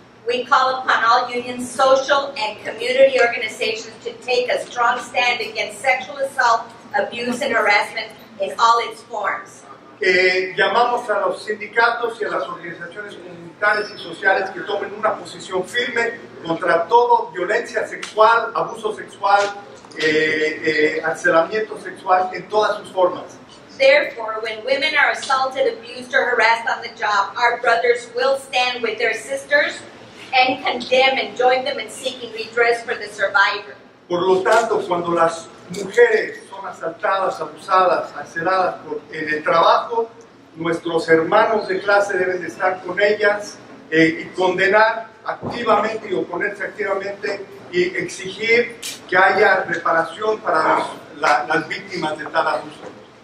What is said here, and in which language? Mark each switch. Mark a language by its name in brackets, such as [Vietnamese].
[English] We call upon all union, social, and community organizations to take a strong stand against sexual assault, abuse, and harassment in all its forms. [Spanish] Llamamos a los sindicatos y a las organizaciones comunitarias y sociales que tomen una posición firme contra todo violencia sexual, abuso sexual, encarcelamiento sexual en todas sus formas. [English] Therefore, when women are assaulted, abused, or harassed on the job, our brothers will stand with their sisters and condemn and join them in seeking redress for the survivor. [Spanish] Por lo tanto, cuando las mujeres son asaltadas, abusadas, encarceladas en el trabajo, nuestros hermanos de clase deben de estar con ellas y condenar activamente y oponerse activamente y exigir que haya reparación para las víctimas de tal abuso.